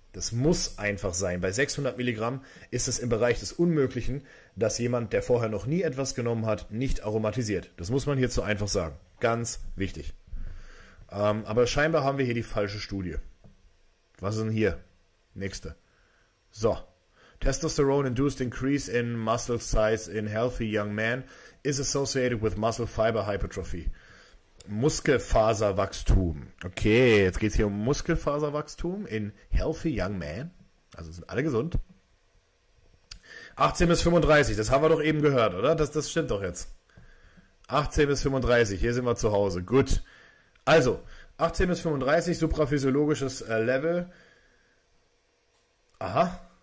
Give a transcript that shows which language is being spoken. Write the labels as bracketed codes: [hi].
[de] Das muss einfach sein. Bei 600 Milligramm ist es im Bereich des Unmöglichen, dass jemand, der vorher noch nie etwas genommen hat, nicht aromatisiert. Das muss man hierzu einfach sagen. Ganz wichtig. Aber scheinbar haben wir hier die falsche Studie. Was ist denn hier? Nächste. So. [en] Testosterone-induced increase in muscle size in healthy young man is associated with muscle fiber hypertrophy. [de] Muskelfaserwachstum. Okay, jetzt geht es hier um Muskelfaserwachstum [en] in healthy young man. [de] Also sind alle gesund. 18 bis 35, das haben wir doch eben gehört, oder? Das stimmt doch jetzt. 18 bis 35, hier sind wir zu Hause. Gut. Also, 18 bis 35, supraphysiologisches Level. Aha.